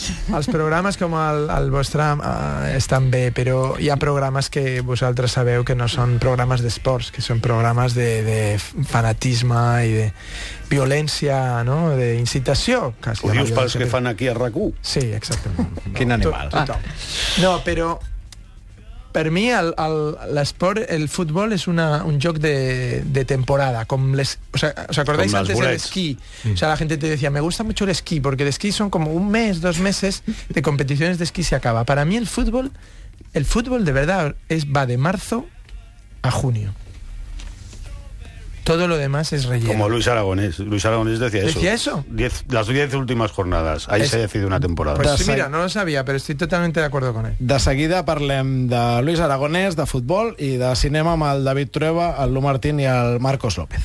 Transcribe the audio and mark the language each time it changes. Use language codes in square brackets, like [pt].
[ca] Els programes com el vostre estan bé, però hi ha programes que vosaltres sabeu que no són programes d'esports, que són programes de fanatisme i de violència, no? D'incitació, quasi. Ho dius pels que fan aquí a RAC1? Sí, exactament. No, quin animal. No, però... Per mi l'esport, el futbol és un joc de temporada, com les, [es] o sea, ¿os acordáis antes del esquí? O sea, la gente te decía, "Me gusta mucho el esquí porque el esquí son como un mes, dos meses de competiciones de esquí se acaba." Para mí el fútbol de verdad va de marzo a junio. Todo lo demás es relleno. Como Luis Aragonés decía eso. Las 10 últimas jornadas, ahí se decide una temporada. Pues sí, mira, no lo sabía, pero estoy totalmente de acuerdo con él. [ca] De seguida parlem de Luis Aragonés, de futbol, i de cinema amb el David Trueba, el Lu Martín i el Marcos López.